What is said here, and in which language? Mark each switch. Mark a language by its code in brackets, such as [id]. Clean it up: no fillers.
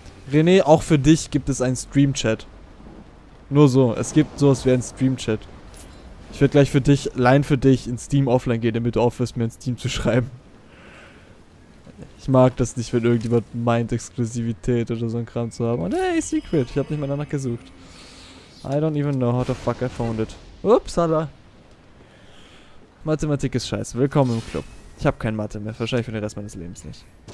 [de] René, auch für dich gibt es einen Stream-Chat. Nur so, es gibt sowas wie einen Stream-Chat. Ich werde gleich für dich, allein für dich, in Steam offline gehen, damit du aufhörst, mir in Steam zu schreiben. Ich mag das nicht, wenn irgendjemand meint, Exklusivität oder so ein Kram zu haben. Und hey, Secret, ich habe nicht mal danach gesucht. [en] I don't even know how the fuck I found it. [de] Upsala. Mathematik ist scheiße. Willkommen im Club. Ich habe kein Mathe mehr. Wahrscheinlich für den Rest meines Lebens nicht.